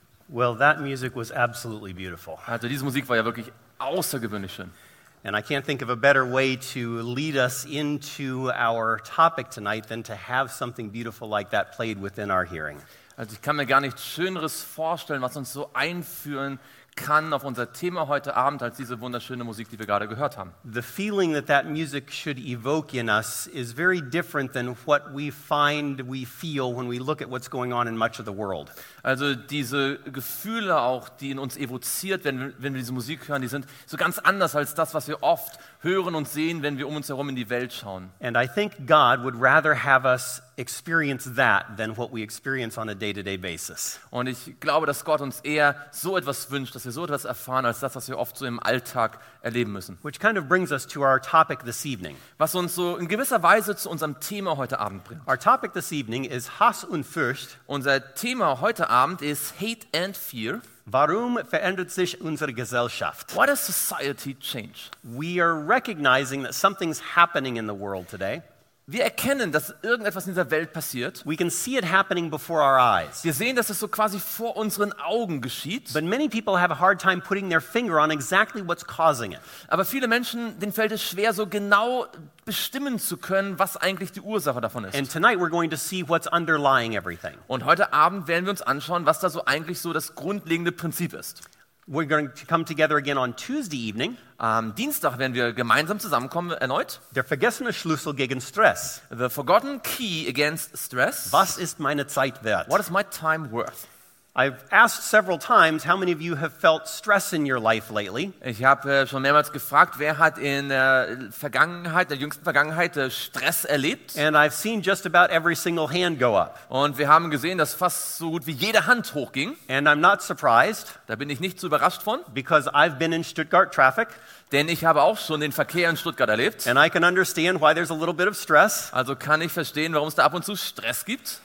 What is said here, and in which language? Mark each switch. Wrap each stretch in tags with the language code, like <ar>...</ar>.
<en>Well, that music was absolutely beautiful.</en> <de>Also, diese Musik war ja wirklich außergewöhnlich schön.</de> <en>And I can't think of a better way to lead us into our topic tonight than to have something beautiful like that played within our hearing.</en> <de>Also, ich kann mir gar nichts Schöneres vorstellen, was uns so einführen kann auf unser Thema heute Abend, als diese wunderschöne Musik, die wir gerade gehört haben.</de> <en>The feeling that that music should evoke in us is very different than what we find we feel when we look at what's going on in much of the world.</en> <de>Also diese Gefühle auch, die in uns evoziert, wenn wir diese Musik hören, die sind so ganz anders als das, was wir oft hören und sehen, wenn wir um uns herum in die Welt schauen.</de> <en>And I think God would rather have us experience that than what we experience on a day-to-day basis.</en> <de>Und ich glaube, dass Gott uns eher so etwas wünscht, dass wir so etwas erfahren, als das, was wir oft so im Alltag erleben müssen.</de> <en>Which kind of brings us to our topic this evening.</en> <de>Was uns so in gewisser Weise zu unserem Thema heute Abend bringt.</de> <en>Our topic this evening is</en> <de>Hass und Furcht. Unser Thema heute Abend ist</de> <en>Hate and Fear.</en> <de>Warum verändert sich unsere Gesellschaft?</de> <en>Why does society change? We are recognizing that something's happening in the world today.</en> <de>Wir erkennen, dass irgendetwas in dieser Welt passiert.</de> <en>We can see it happening before our eyes.</en> <de>Wir sehen, dass es so quasi vor unseren Augen geschieht.</de> <en>But many people have a hard time putting their finger on exactly what's causing it.</en> <de>Aber viele Menschen, denen fällt es schwer, so genau bestimmen zu können, was eigentlich die Ursache davon ist.</de> <en>And tonight we're going to see what's underlying everything.</en> <de>Und heute Abend werden wir uns anschauen, was da so eigentlich so das grundlegende Prinzip ist.</de> <en>We're going to come together again on Tuesday evening.</en> <de>Am Dienstag werden wir gemeinsam zusammenkommen erneut. Der vergessene Schlüssel gegen Stress.</de> <en>The forgotten key against stress.</en> <de>Was ist meine Zeit wert?</de> <en>What is my time worth? I've asked several times how many of you have felt stress in your life lately.</en> <de>Ich habe schon mehrmals gefragt, wer hat in der Vergangenheit, der jüngsten Vergangenheit Stress erlebt?</de> <en>And I've seen just about every single hand go up.</en> <de>Und wir haben gesehen, dass fast so gut wie jede Hand hochging.</de> <en>And I'm not surprised.</en> <de>Da bin ich nicht so überrascht von.</de> <en>Because I've been in Stuttgart traffic.</en> <de>Denn ich habe auch schon den Verkehr in Stuttgart erlebt.</de> <en>And I can understand why there's a little bit of stress.</en> <de>Also kann ich verstehen, warum es da ab und zu Stress gibt.</de>